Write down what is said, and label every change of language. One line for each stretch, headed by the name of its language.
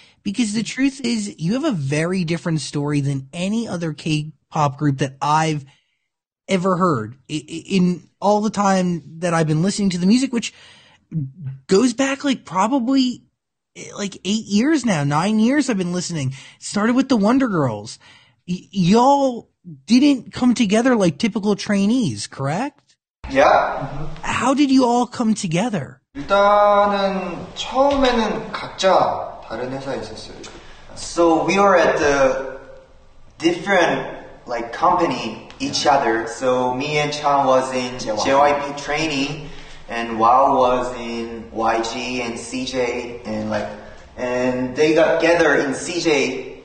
English: Because the truth is, you have a very different story than any other K-pop group that I've ever heard in all the time that I've been listening to the music, which goes back like probably like 8 years now, 9 years I've been listening. Started with the Wonder Girls. Y'all didn't come together like typical trainees, correct? Yeah. How did you all come together?
Korean: 일단은 처음에는 각자 다른 회사에 있었어요.
English: So we were at the different like company each other. So me and Chan was in JYP trainee, and Wow was in YG and CJ, and they got together in CJ.